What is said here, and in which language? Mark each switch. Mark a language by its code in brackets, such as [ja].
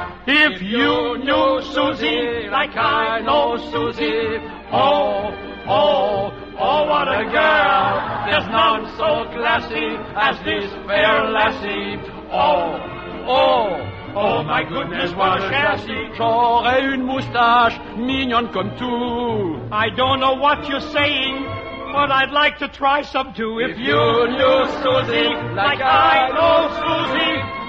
[en] If you knew Susie like I know Susie. Oh, oh, oh, what a girl. There's none so classy as this fair lassie. Oh, oh. Oh, my goodness, what a chassis. [fr] J'aurais une moustache mignonne comme tout. [en] I don't know what you're saying, but I'd like to try some too. If you knew Susie like I know Susie.